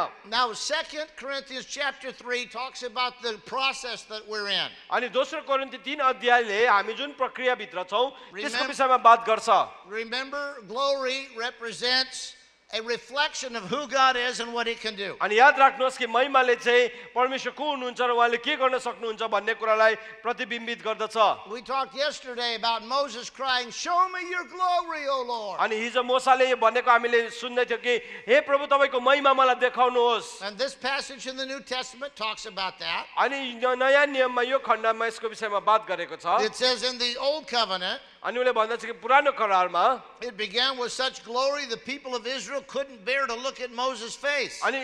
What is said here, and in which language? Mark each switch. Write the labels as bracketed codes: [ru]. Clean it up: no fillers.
[en] Now 2 Corinthians chapter 3 talks about the process that we're in. Remember, glory represents a reflection of who God is and what He can do. [ne] अनि याद राख्नुहोस् कि महिमाले चाहिँ परमेश्वर को हुनुहुन्छ र उहाँले के गर्न सक्नुहुन्छ भन्ने कुरालाई प्रतिबिम्बित गर्दछ. [en] We talked yesterday about Moses crying, "Show me your glory, O Lord." [ne] अनि हिजो मोसाले यो भनेको हामीले सुन्दै थियो कि हे प्रभु तपाईको महिमा मलाई देखाउनुहोस्. [en] And this passage in the New Testament talks about that. [ne] अनि नयाँ नियममा यो खण्डमा यसको विषयमा बात गरेको छ. [en] It says in the Old Covenant, it began with such glory the people of Israel couldn't bear to look at Moses' face.